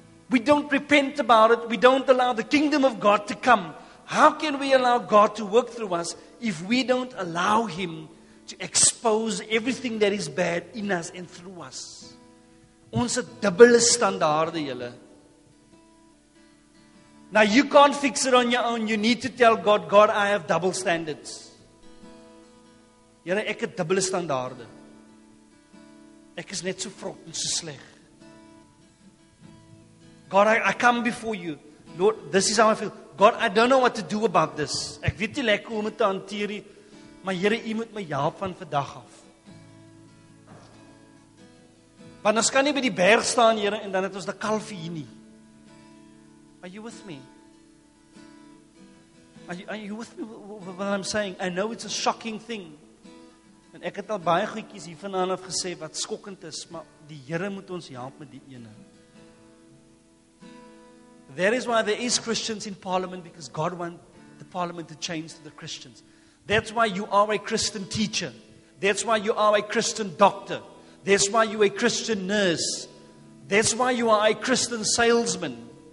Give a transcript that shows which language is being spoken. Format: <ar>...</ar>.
<en>We don't repent about it. We don't allow the kingdom of God to come. How can we allow God to work through us if we don't allow Him to expose everything that is bad in us and through us?</en> <af>Ons het dubbele standaarde, julle.</af> <en>Now you can't fix it on your own. You need to tell God, God, I have double standards.</en> <af>Julle, ek het dubbele standaarde. Ek is net so vrot en so sleg.</af> <en>God, I come before you. Lord, this is how I feel. God, I don't know what to do about this.</en> <af>Ek weet nie lekker hoe om te hanteer nie, maar Here, U moet my help van vandag af. Want ons kan nie by die berg staan, Here, en dan het ons die kalf hier nie.</af> <en>Are you with me? Are you with me what I'm saying? I know it's a shocking thing.</en> <af>En ek het al baie goedjies hier vanaand af gesê wat skokkend is, maar die Here moet ons help met die ene.</af> <en>That is why there is Christians in Parliament, because God wants the Parliament to change to the Christians. That's why you are a Christian teacher. That's why you are a Christian doctor. That's why you're a Christian nurse. That's why you are a Christian salesman.</en>